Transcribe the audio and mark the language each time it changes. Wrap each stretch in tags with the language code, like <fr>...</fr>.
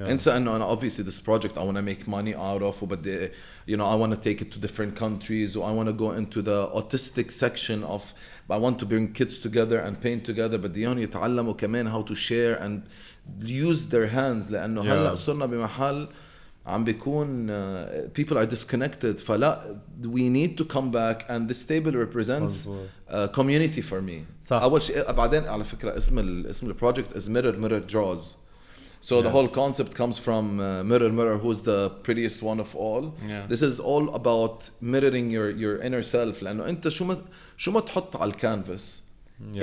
<ar>انسى انه انا</ar> <en>obviously this project I want to make money out of</en> <ar>وبدي</ar> <en>you know I want to take it to different countries or I want to go into the autistic section of I want to bring kids together and paint together, but they only</en> <ar>تعلموا كمان</ar> <en>how to share and use their hands.</en> <ar>لأنه</ar> <en>yeah.</en> <ar>هلأ صرنا بمحل عم بيكون</ar> <en>people are disconnected.</en> <ar>فلا</ar> <en>we need to come back and this table represents community for me.</en> <ar>صح. أول شيء بعدين على فكرة اسم ال</ar> <en>project is mirror draws. So yes. the whole concept comes from mirror, who's the prettiest one of all. Yeah. This is all about mirroring your inner self.</en> <ar>لأنه أنت شو ما تحط على الكانفاس,</ar> <en>yeah.</en>